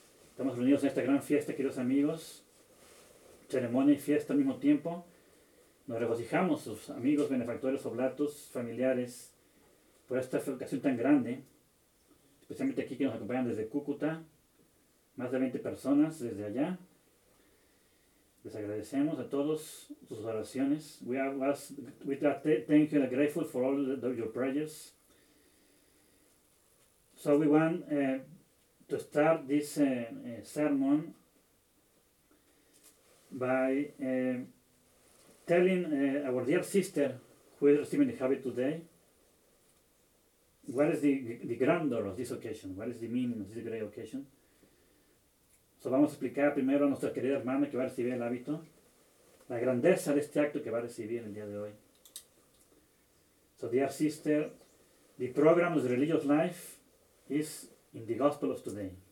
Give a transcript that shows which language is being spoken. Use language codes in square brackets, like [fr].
[es] Estamos reunidos en esta gran fiesta, queridos amigos. Ceremonia y fiesta al mismo tiempo. Nos regocijamos, sus amigos, benefactores, oblatos, familiares, por esta ocasión tan grande, especialmente aquí que nos acompañan desde Cúcuta, más de 20 personas desde allá. Les agradecemos a todos sus oraciones. [en] We are thank you and grateful for all your prayers. So we want to start this sermon by telling our dear sister, who is receiving the habit today, what is the grandeur of this occasion? What is the meaning of this great occasion? [es] So vamos a explicar primero a nuestra querida hermana que va a recibir el hábito, la grandeza de este acto que va a recibir el día de hoy. [en] So dear sister, the program of the religious life is in the gospel of today.